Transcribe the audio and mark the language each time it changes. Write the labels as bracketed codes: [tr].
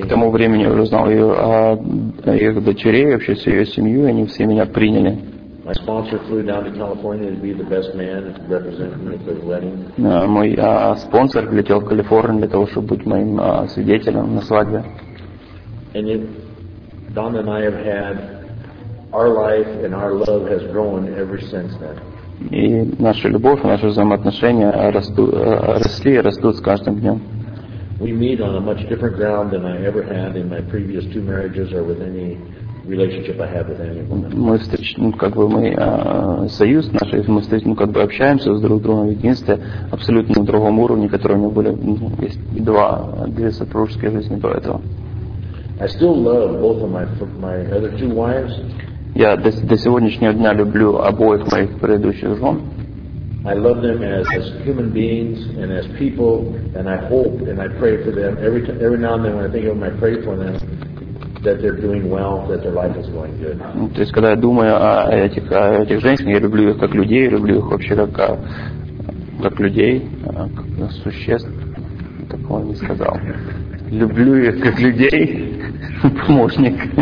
[ru] К тому времени уже знал ее, их дочерей, вообще всю ее семью, они все меня приняли. [en] My sponsor flew down to California to be the best man and represent me at the wedding. [ru] Мой спонсор летел в Калифорнию для того, чтобы быть моим свидетелем на свадьбе. [en] And it, Donna and I have had our life and our love has grown ever since then. [ru] И наша любовь, наши взаимоотношения росли и растут с каждым днем. [en] We meet on a much different ground than I ever had in my previous two marriages or with any relationship I have with anyone. [ru] Мы общаемся с друг другом в единстве абсолютно на другом уровне, который у меня были две супружеские жизни до этого. [en] I still love both of my other two wives. [ru] Я до сегодняшнего дня люблю обоих моих предыдущих жен. [en] I love them as human beings and as people, and I hope and I pray for them every now and then when I think of them, I pray for them. That they're doing well, that their life is going good. [ru] То есть, когда я думаю о этих женщинах, я люблю их как людей, люблю их вообще как людей, как существ. Такого не сказал. Люблю их как людей, помощник.